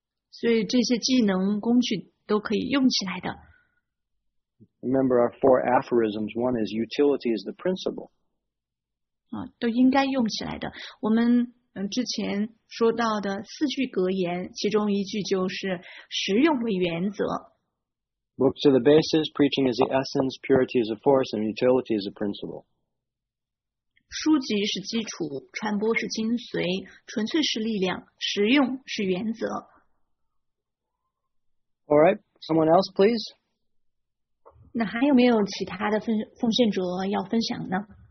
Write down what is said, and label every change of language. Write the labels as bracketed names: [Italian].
[Chinese] 所以这些技能工具都可以用起来的。 [English] Remember our four aphorisms. One is utility is the principle. [Chinese] 都应该用起来的。我们之前说到的四句格言，其中一句就是实用为原则。 [English] Books are the basis, preaching is the essence, purity is the force, and utility is the principle. [Chinese] 书籍是基础，传播是精髓，纯粹是力量，实用是原则。 [English] All right, someone else, please. [Chinese] 那还有没有其他的奉献者要分享呢？